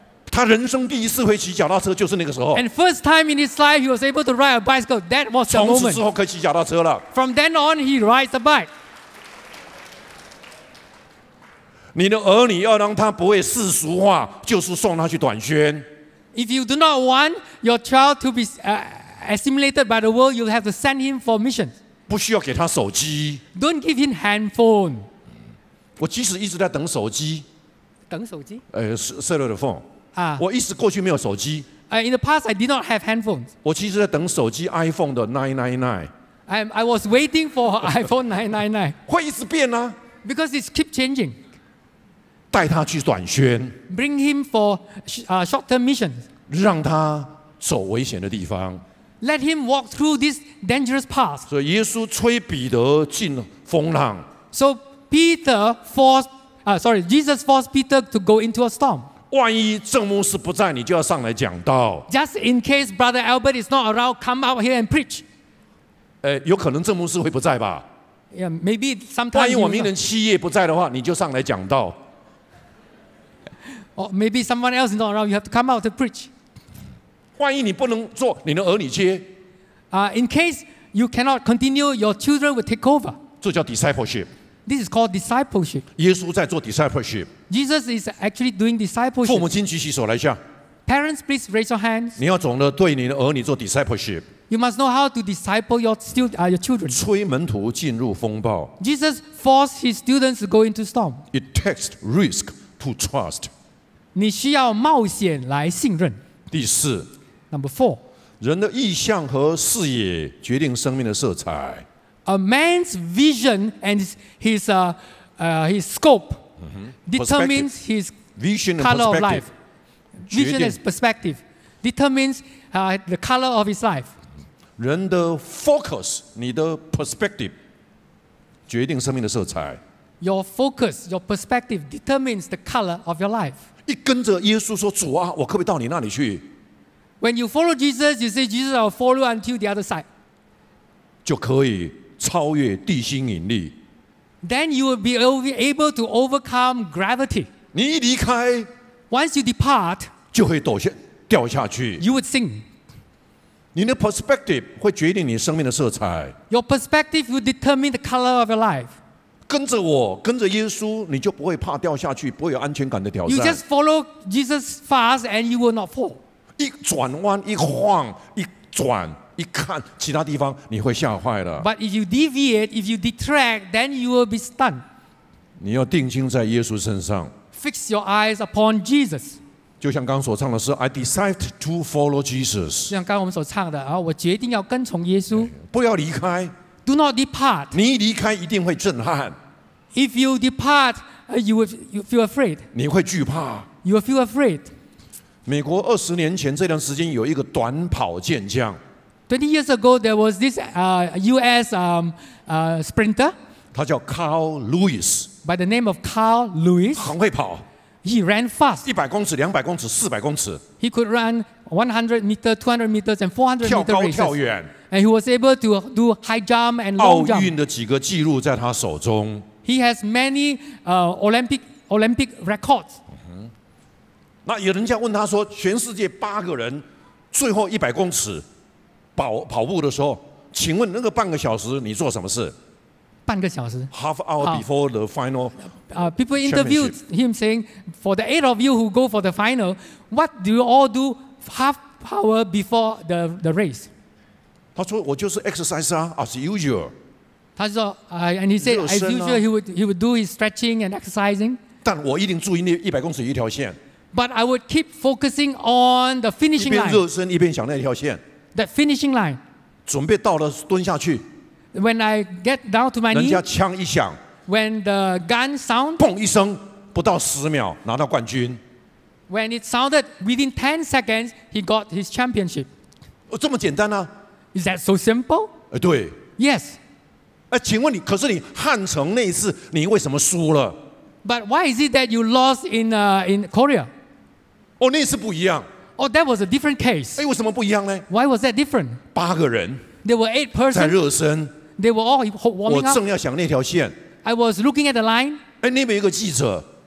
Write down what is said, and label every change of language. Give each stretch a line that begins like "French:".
Chinese: 他人生第一次会骑脚踏车就是那个时候。
English: And first time in his life, he was able to ride a bicycle. That was the moment.
Chinese: 从此之后可以骑脚踏车了。
English: From then on, he rides a bike.
Chinese: 你的儿女要让他不会世俗化，就是送他去短宣。
English: If you do not want your child to be assimilated by the world, you have to send him for mission.
Chinese: 不需要给他手机。
English: Don't give him handphone.
Chinese: 我即使一直在等手机。等手机？
English: cellular phone.
Chinese: 啊。我一直过去没有手机。
English: In the past, I did not have handphones.
Chinese: 我其实在等手机 iPhone 的999。
English: I was waiting for iPhone 999.
Chinese: 会一直变啊。
English: Because it's keep changing.
Chinese: 带他去短宣。
English: Bring him for short-term missions.
Chinese: 让他走危险的地方。
English: Let him walk through this dangerous path.
Chinese: 所以耶稣催彼得进风浪。
English: So Peter forced, Jesus forced Peter to go into a storm.
Chinese: 万一郑牧师不在，你就要上来讲道。
English: Just in case Brother Albert is not around, come out here and preach.
Chinese: 有可能郑牧师会不在吧
English: ？Yeah, maybe sometimes.
Chinese: 万一我明年七月不在的话，你就上来讲道。
English: Or maybe someone else is not around, you have to come out to preach.
Chinese: 万一你不能做，你的儿女接。
English: In case you cannot continue, your children will take over.
Chinese: 这叫 discipleship.
English: This is called discipleship.
Chinese: 耶稣在做 discipleship.
English: Jesus is actually doing discipleship.
Chinese: 父母亲举起手来一下。
English: Parents, please raise your hands.
Chinese: 你要懂得对你的儿女做 discipleship.
English: You must know how to disciple your children.
Chinese: 催门徒进入风暴。
English: Jesus forced his students to go into storm. It takes risk to trust.
Chinese: 你需要冒险来信任。第四。
English: Number four,
Chinese: 人的意向和视野决定生命的色彩。
English: A man's vision and his scope determines his color of life. Vision and perspective determines the color of his life.
Chinese: 人的 focus, 你的 perspective 决定生命的色彩。
English: Your focus, your perspective determines the color of your life.
Chinese: 一跟着耶稣说：“主啊，我可不可以到你那里去？”
English: When you follow Jesus, you say, Jesus, I'll follow until the other side.
Chinese: 就可以超越地心引力。
English: Then you will be able to overcome gravity.
Chinese: 你一离开，
English: Once you depart,
Chinese: 就会掉下去。
English: You would sink.
Chinese: 你的 perspective 会决定你生命的色彩。
English: Your perspective will determine the color of your life.
Chinese: 跟着我，跟着耶稣，你就不会怕掉下去，不会有安全感的挑战。
English: You just follow Jesus fast and you will not fall.
Chinese: 一转弯，一晃，一转，一看，其他地方你会吓坏了。
English: But if you deviate, if you detract, then you will be stunned.
Chinese: 你要定睛在耶稣身上。
English: Fix your eyes upon Jesus.
Chinese: 就像刚所唱的是 ，
English: I decide to follow Jesus.
Chinese: 就像刚我们所唱的啊，我决定要跟从耶稣。不要离开。
English: Do not depart.
Chinese: 你一离开一定会震撼。
English: If you depart, you feel afraid.
Chinese: 你会惧怕。
English: You will feel afraid.
Chinese: 美国二十年前这段时间有一个短跑健将。
English: 20 years ago, there was this U.S. Sprinter.
Chinese: 他叫 Carl Lewis.
English: By the name of Carl Lewis.
Chinese: 很会跑。
English: He ran fast.
Chinese: 100公尺、200公尺、400公尺。
English: He could run 100 meters, 200 meters, and 400 meters.
Chinese: 跳高、跳远。
English: And he was able to do high jump and long jump.
Chinese: 奥运的几个记录在他手中。
English: He has many Olympic records.
Chinese: 那有人家问他说，全世界八个人最后一百公尺 跑步的时候，请问那个半个小时你做什么事？半个小时
English: ？Half hour before the final. People interviewed him saying, for the eight of you who go for the final, what do you all do half hour before the race?
Chinese: 他说我就是 exercise 啊 ，
English: as usual.
Chinese: 他说
English: and he said、啊、as usual he would do his stretching and exercising.
Chinese: 但我一定注意那一百公尺一条线。
English: But I would keep focusing on the finishing line.
Chinese: 一边热身一边想那条线。
English: That finishing line.
Chinese: 准备到了，蹲下去。
English: When I get down to my knee.
Chinese: 人家枪一响。
English: When the gun sound.
Chinese: 砰一声，不到十秒拿到冠军。
English: When it sounded within 10 seconds, he got his championship.
Chinese: 这么简单啊？
English: Is that so simple?
Chinese: 对。
English: Yes.
Chinese: 请问你，可是你汉城那一次，你为什么输了？
English: But why is it that you lost in Korea?
Chinese: Oh, 那是不一样。
English: Oh, that was a different case.
Chinese: 哎，为什么不一样呢？
English: Why was that different?
Chinese: 八个人。
English: There were 8 persons.
Chinese: 在热身。
English: They were all warming up.
Chinese: 我正要想那条线。
English: I was looking at the line.
Chinese: 哎，那边有个记者。